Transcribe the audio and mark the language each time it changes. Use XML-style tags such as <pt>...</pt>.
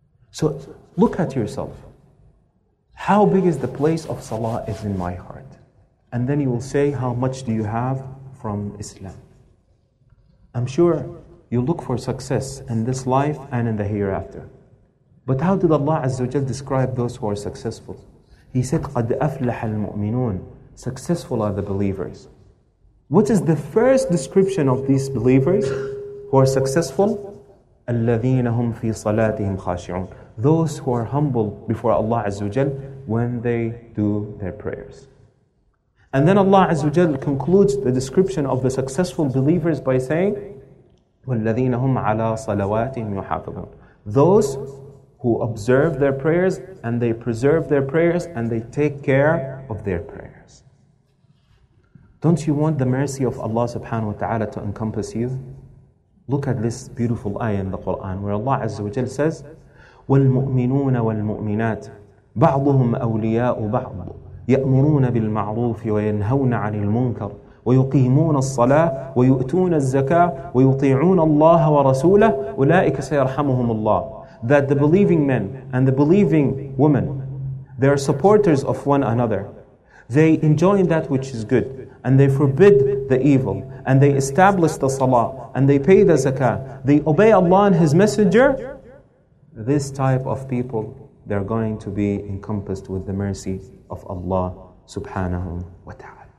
<en>So look at yourself. How big is the place of salah is in my heart? And then you will say, how much do you have from Islam? I'm sure you look for success in this life and in the hereafter. But how did Allah Azza wa Jal describe those who are successful? He said,</en> <ar>قَدْ أَفْلَحَ الْمُؤْمِنُونَ.</ar> <en>Successful are the believers. What is the first description of these believers who are successful?</en> <ar>الَّذِينَ هُمْ فِي صَلَاتِهِمْ خَاشِعُونَ.</ar> <en>Those who are humble before Allah Azza wa Jal when they do their prayers. And then Allah Azza wa Jal concludes the description of the successful believers by saying,</en> <ar>وَالَّذِينَ هُمْ عَلَىٰ صَلَوَاتِهِمْ يُحَافِظُونَ.</ar> <en>Those who observe their prayers and they preserve their prayers and they take care of their prayers. Don't you want the mercy of Allah subhanahu wa ta'ala to encompass you? Look at this beautiful ayah in the Quran where Allah Azza wa Jal says,</en> <ar>وَالْمُؤْمِنُونَ وَالْمُؤْمِنَاتِ بَعْضُهُمْ أَوْلِيَاءُ بَعْضُ يَأْمُرُونَ بِالْمَعْرُوفِ وَيَنْهَوْنَ عَنِ الْمُنْكَرِ ويقيمون الصلاة ويؤتون الزكاة ويطيعون الله ورسوله أولئك سيرحمهم الله.</ar> <en>That the believing men and the believing women, they are supporters of one another. They enjoin that which is good and they forbid the evil and they establish the salah and they pay the zakah. They obey Allah and His Messenger. This type of people, they're going to be encompassed with the mercy of Allah subhanahu wa ta'ala.</en>